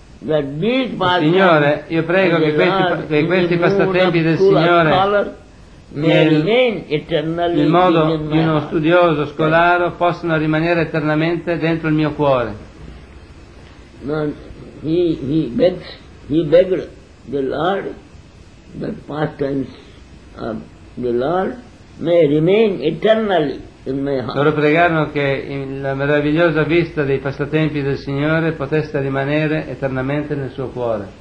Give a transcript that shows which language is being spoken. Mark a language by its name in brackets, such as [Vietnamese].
[Italian] Signore, io prego che questi passatempi del Signore nel modo di uno studioso scolaro possano rimanere eternamente dentro il mio cuore. [English] He begged the Lord that pastimes of the Lord may remain eternally. [Italian] Loro pregarono che la meravigliosa vista dei passatempi del Signore potesse rimanere eternamente nel suo cuore.